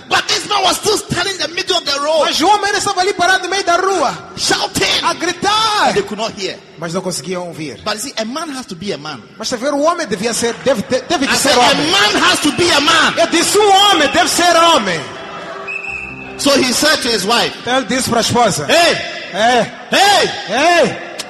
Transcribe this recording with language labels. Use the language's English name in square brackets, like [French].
[English] But this man was still standing in the middle of the road. [Portuguese] Mas o homem estava ali parado no meio da rua, [English] shouting, [Portuguese] a gritar. [English] They could not hear. [Portuguese] Mas não conseguiam ouvir. [English] But you see, a man has to be a man. [Portuguese] Mas ver, o homem devia ser, deve [English] I [Portuguese] ser [English] said, [Portuguese] homem. [English] A man has to be a man. [Portuguese] Eu disse, um homem deve ser homem. [English] So he said to his wife. [Portuguese] Então ele disse para a esposa. Hey, hey, hey, hey.